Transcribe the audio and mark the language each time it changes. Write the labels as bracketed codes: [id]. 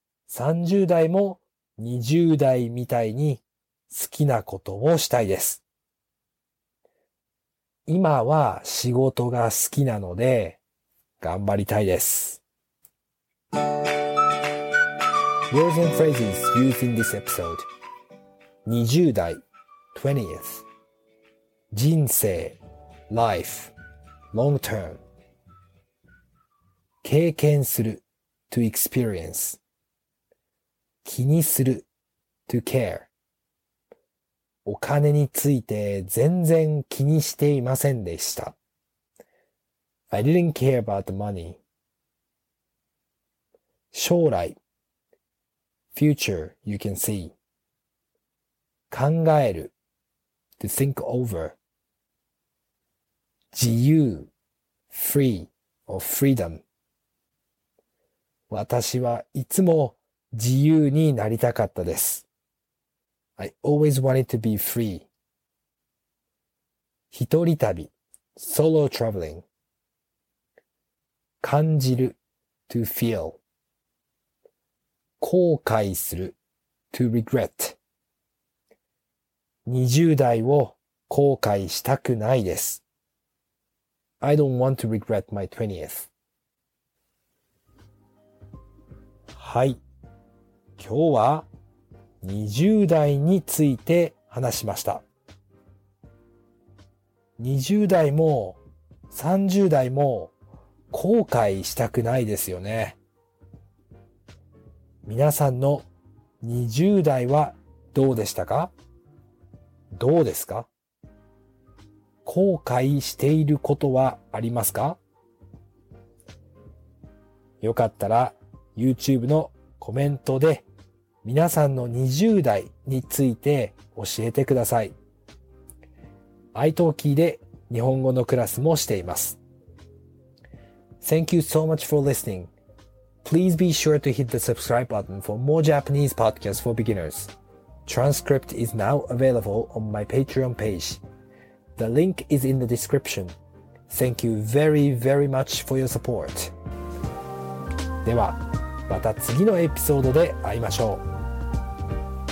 [ja] 30代も20代みたいに好きなことをしたいです。今は仕事が好きなので頑張りたいです。 [en] Words and phrases used in this episode. 20代 20th. 人生 life. Long term. 経験する to experience. 気にする to care. [ja] お金について全然気にしていませんでした。 [en] I didn't care about the money. [ja] 将来 future you can see 考える to think over 自由 free or freedom 私はいつも自由になりたかったです。 [en] I always wanted to be free. 一人旅 solo traveling. 感じる to feel. [ja] 後悔する to regret. 20代を後悔したくないです。 [en] I don't want to regret my 20th. はい。 [ja] 今日は20代について話しました。 20代も30代も後悔したくないですよね。皆さんの20代はどうでしたか？どうですか？後悔していることはありますか？よかったら YouTube のコメントで皆さんの20代について教えてください。 iTalkieで日本語のクラスもしています。 [en] Thank you so much for listening. Please be sure to hit the subscribe button for more Japanese podcasts for beginners. Transcript is now available on my Patreon page. The link is in the description. Thank you very, very much for your support. [ja] では、また次のエピソードで会いましょう。